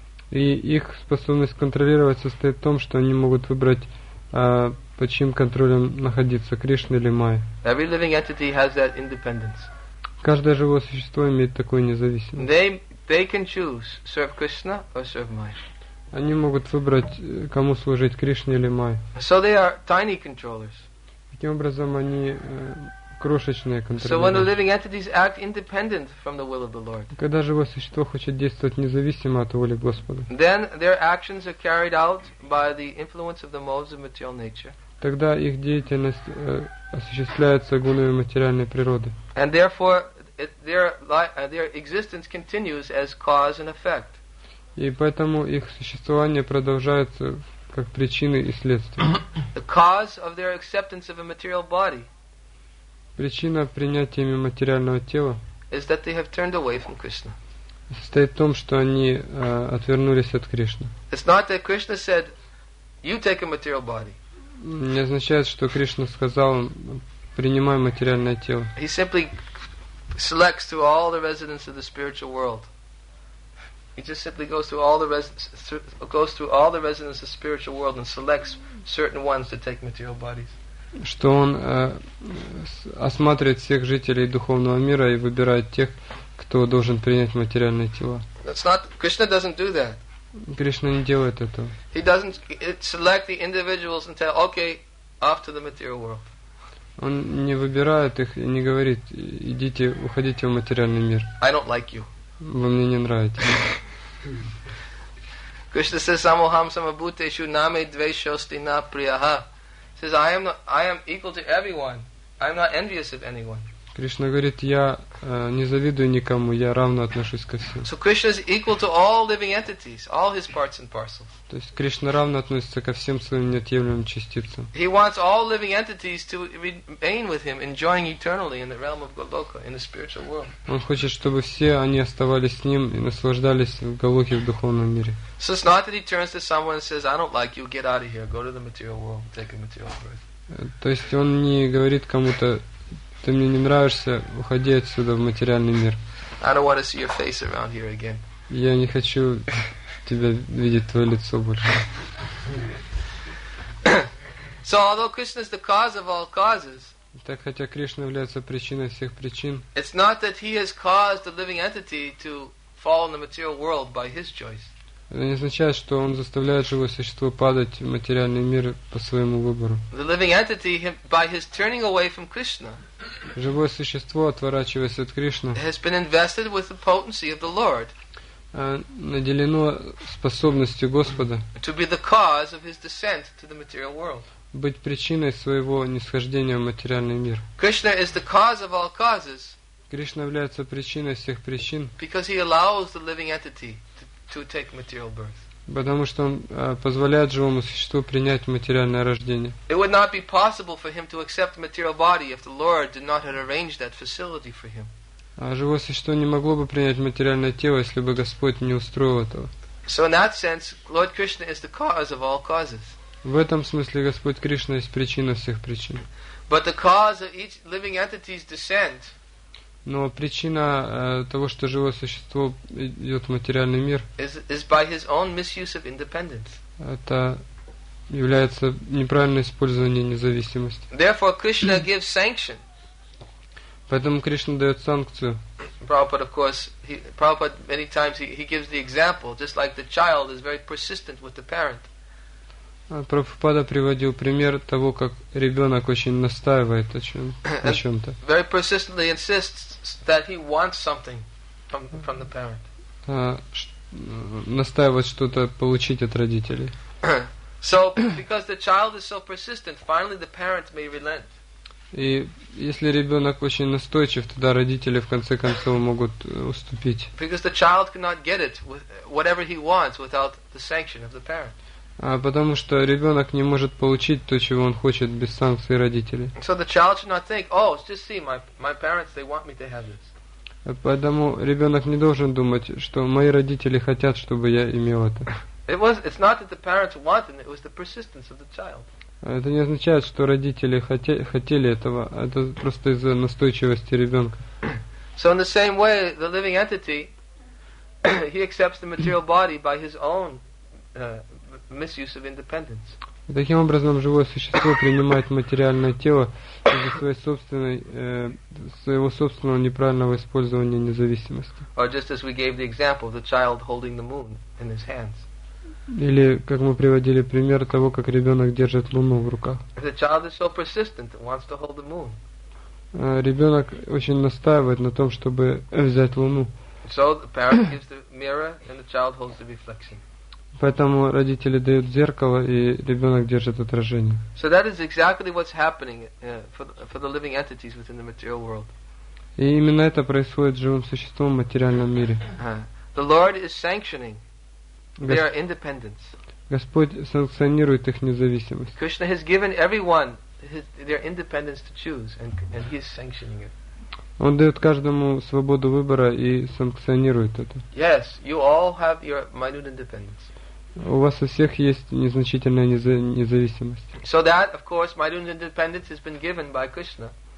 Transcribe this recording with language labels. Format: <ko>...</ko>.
<ru>И их способность контролировать состоит в том, что они могут выбрать, под чьим контролем находиться, Кришна или Майя.</ru> <en>Every living entity has that independence.</en> <ru>Каждое живое существо имеет такую независимость.</ru> <en>They can choose serve Krishna or serve Maya.</en> <ru>Они могут выбрать, кому служить, Кришне или Майе.</ru> <en>So they are tiny controllers.</en> <ru>Таким образом, они крошечные контролеры.</ru> <en>So when the living entities act independent from the will of the Lord.</en> <ru>Когда живое существо хочет действовать независимо от воли Господа.</ru> <en>Then their actions are carried out by the influence of the modes of material nature.</en> <ru>Тогда их деятельность осуществляется гунами материальной природы.</ru> <en>And therefore, their existence continues as cause and effect.</en> <ru>И поэтому их существование продолжается как причины и следствия.</ru> <en>The cause of their acceptance of a material body.</en> <ru>Причина принятия ими материального тела</ru> <en>is that they have turned away from Krishna.</en> <ru>Состоит в том, что они отвернулись от Кришны.</ru> <en>It's not that Krishna said, "You take a material body."</en> <ru>Не означает, что Кришна сказал, принимай материальное тело.</ru> <en>He simply selects through all the residents of the spiritual world. He just simply goes through all the residents of the spiritual world and selects certain ones to take material bodies.</en> <ru>Что он осматривает всех жителей духовного мира и выбирает тех, кто должен принять материальное тело.</ru> <en>That's not Krishna doesn't do that.</en> <ru>Кришна не делает этого.</ru> <en>He doesn't select the individuals and tell, okay, off to the material world.</en> <ru>Он не выбирает их и не говорит, идите, уходите в материальный мир.</ru> <en>I don't like you.</en> <ru>Вы мне не нравитесь.</ru> <en>Krishna says,</en> <sa>Samoham samabhuteshu name dveshosti na priyaha.</sa> <en>He says, I am equal to everyone. I am not envious of anyone.</en> <ru>Кришна говорит, я не завидую никому, я равно отношусь ко всем.</ru> <en>So Krishna is equal to all living entities, all his parts and parcels.</en> <ru>То есть Кришна равно относится ко всем своим неотъемлемым частицам.</ru> <en>He wants all living entities to remain with him, enjoying eternally in the realm of Goloka, in the spiritual world.</en> <ru>Он хочет, чтобы все они оставались с ним и наслаждались в Голоке, в духовном мире.</ru> <en>So it's not that he turns to someone and says, I don't like you, get out of here, go to the material world, take a material birth.</en> <ru>То есть он не говорит кому-то, ты мне не нравишься, уходи отсюда в материальный мир.</ru> <en>I don't want to see your face around here again.</en> <ru>Я не хочу тебя видеть, твое лицо больше.</ru> <en>So although Krishna is the cause of all causes,</en> <ru>так хотя Кришна является причиной всех причин,</ru> <en>it's not that he has caused the living entity to fall in the material world by his choice.</en> <ru>Это не означает, что он заставляет живое существо падать в материальный мир по своему выбору.</ru> <en>The living entity, by his turning away from Krishna,</en> <ru>живое существо, отворачиваясь от Кришны,</ru> <en>has been invested with the potency of the Lord,</en> <ru>наделено способностью Господа</ru> <en>to be the cause of his descent to the material world.</en> <ru>Быть причиной своего нисхождения в материальный мир.</ru> <en>Krishna is the cause of all causes,</en> <ru>Кришна является причиной всех причин,</ru> <en>because he allows the living entity to take material birth.</en> <ru>Потому что он позволяет живому существу принять материальное рождение.</ru> <en>It would not be possible for him to accept a material body if the Lord did not have arranged that facility for him.</en> <ru>А живое существо не могло бы принять материальное тело, если бы Господь не устроил этого.</ru> <en>So in that sense, Lord Krishna is the cause of all causes.</en> <ru>В этом смысле Господь Кришна есть причина всех причин.</ru> <en>But the cause of each living entity's descent.</en> <ru>Но причина того, что живое существо идет в материальный мир,</ru> <en>is by his own misuse of independence.</en> <ru>Это является неправильное использование независимости.</ru> <en>Therefore, Krishna gives sanction.</en> <ru>Поэтому Кришна дает санкцию.</ru> <en>Prabhupada, of course, Prabhupada many times he gives the example, just like the child is very persistent with the parent.</en> <ru>Прабхупада приводил пример того, как ребенок очень настаивает о чем-то.</ru> <en>Very persistently insists that he wants something from the parent.</en> <ru>Настаивает что-то получить от родителей.</ru> <en>So, because the child is so persistent, finally the parent may relent.</en> <ru>И если ребенок очень настойчив, тогда родители в конце концов могут уступить.</ru> <en>Because the child cannot get it whatever he wants without the sanction of the parent.</en> <ru>Потому что ребенок не может получить то, чего он хочет, без санкции родителей.</ru> <en>So the child should not think, oh, it's just see, my parents, they want me to have this.</en> <ru>Поэтому ребенок не должен думать, что мои родители хотят, чтобы я имел это.</ru> <en>It's not that the parents wanted, it was the persistence of the child.</en> <ru>Это не означает, что родители хотели этого, это просто из-за настойчивости ребенка.</ru> <en>So in the same way, the living entity, he accepts the material body by his own misuse of independence.</en> <ru>И таким образом живое существо принимает материальное тело из-за своей собственной, своего собственного неправильного использования независимости.</ru> <en>Or just as we gave the example of the child holding the moon in his hands.</en> <ru>Или как мы приводили пример того, как ребенок держит луну в руках.</ru> <en>If the child is so persistent and wants to hold the moon.</en> <ru>Ребенок очень настаивает на том, чтобы взять луну.</ru> <en>So the parent gives the mirror and the child holds the reflection.</en> <ru>Поэтому родители дают зеркало, и ребенок держит отражение.</ru> <en>So that is exactly what's happening for the living entities within the material world.</en> <ru>И именно это происходит с живым существом в материальном мире.</ru> <en>The Lord is sanctioning their independence.</en> <ru>Господь санкционирует их независимость.</ru> <en>Krishna has given everyone their independence to choose, and he is sanctioning it.</en> <ru>Он дает каждому свободу выбора и санкционирует это.</ru> <en>Yes, you all have your minute independence.</en> <ru>У вас у всех есть незначительная независимость.</ru> <en>So that, of course, minute independence has been given by Krishna.</en>